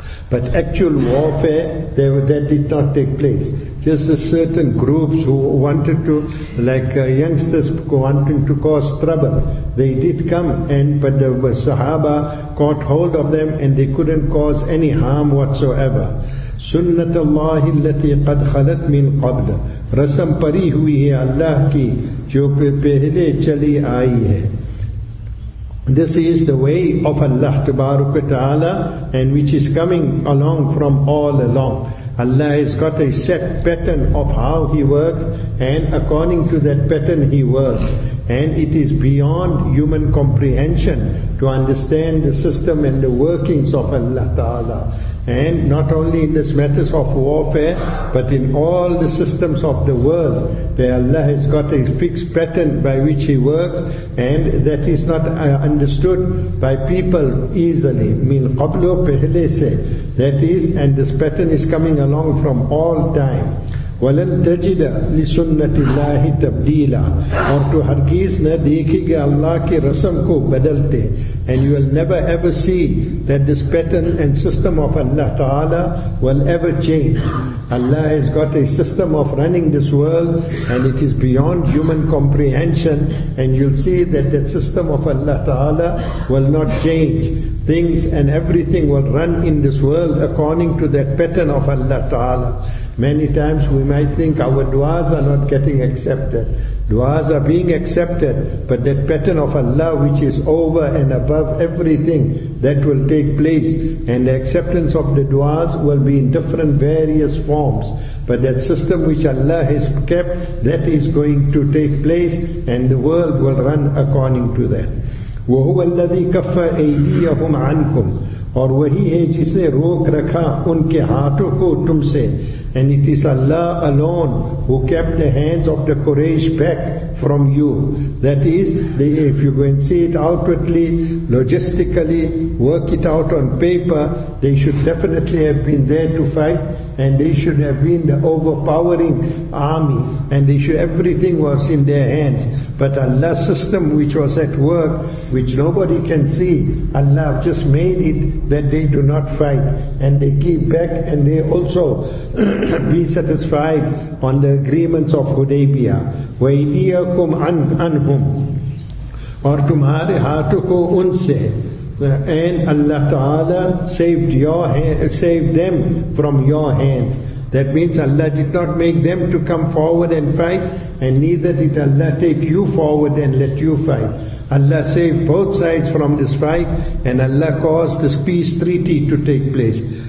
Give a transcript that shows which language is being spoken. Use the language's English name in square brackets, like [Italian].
[English] But actual warfare, that did not take place. Just a certain groups who wanted to, like youngsters wanting to cause trouble, they did come, but the Sahaba caught hold of them and they couldn't cause any harm whatsoever. [Arabic] سُنَّةَ اللَّهِ الَّتِي قَدْ خَلَتْ مِنْ قَبْلَ. [Urdu] رسم پری ہوئی ہے اللہ کی جو پہلے چلی آئی ہے. [English] This is the way of Allah تبارک و تعالی, and which is coming along from all along. Allah has got a set pattern of how He works, and according to that pattern He works. And it is beyond human comprehension to understand the system and the workings of Allah Ta'ala. And not only in this matters of warfare, but in all the systems of the world, there Allah has got a fixed pattern by which He works, and that is not understood by people easily. [Urdu] Min qablo pehle se. [English] That is, and this pattern is coming along from all time. [Arabic] وَلَن تَجِدَ لِسُنَّةِ اللَّهِ تَبْدِيلًا. [Urdu] اور تو ہرگز نہ دیکھے گا اللہ کے رسم کو بدلتے. [English] And you will never ever see that this pattern and system of Allah Ta'ala will ever change. Allah has got a system of running this world, and it is beyond human comprehension, and you'll see that that system of Allah Ta'ala will not change. Things and everything will run in this world according to that pattern of Allah Ta'ala. Many times we might think our du'as are not getting accepted. Du'as are being accepted, but that pattern of Allah which is over and above everything, that will take place. And the acceptance of the du'as will be in different various forms. But that system which Allah has kept, that is going to take place, and the world will run according to that. [Arabic] وَهُوَ الَّذِي كَفَّ أَيْدِيَهُمْ عَنْكُمْ. [Urdu] اور وہی ہے جس نے روک رکھا ان کے ہاتھوں کو تم سے. [English] And it is Allah alone who kept the hands of the Quraysh back from you. That is, if you go and see it outwardly, logistically, work it out on paper, they should definitely have been there to fight, and they should have been the overpowering army, and everything was in their hands. But Allah's system which was at work, which nobody can see, Allah just made it that they do not fight. And they give back and they also be satisfied on the agreements of Hudaybiyah. [Arabic] وَإِدِيَكُمْ عَنْهُمْ [Urdu] اور تمہارے ہاتھوں کو ان سے. [English] And Allah Ta'ala saved them from your hands. That means Allah did not make them to come forward and fight, and neither did Allah take you forward and let you fight. Allah saved both sides from this fight, and Allah caused this peace treaty to take place.